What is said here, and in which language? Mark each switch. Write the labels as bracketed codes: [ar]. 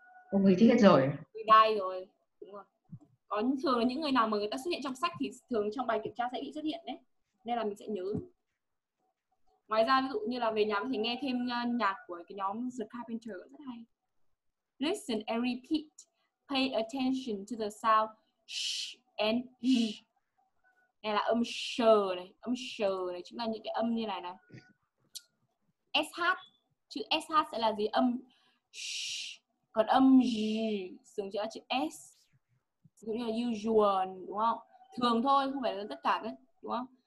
[vi] Ông người chết rồi. Người đai rồi. Đúng rồi. Có thường là những người nào mà người ta xuất hiện trong sách thì thường trong bài kiểm tra sẽ bị xuất hiện đấy. Nên là mình sẽ nhớ. Ngoài ra ví dụ như là về nhà có thể nghe thêm nhạc của cái nhóm The Carpenter rất hay. [en] Listen and repeat. Pay attention to the sound sh and sh. [vi] Này là âm sh này, âm sh này chính là những cái âm như này này. SH, chữ SH sẽ là gì? Âm sh. Còn âm j dùng cho chữ S. Giống như là usual đúng không? thường thôi, không phải là tất cả đấy, đúng không?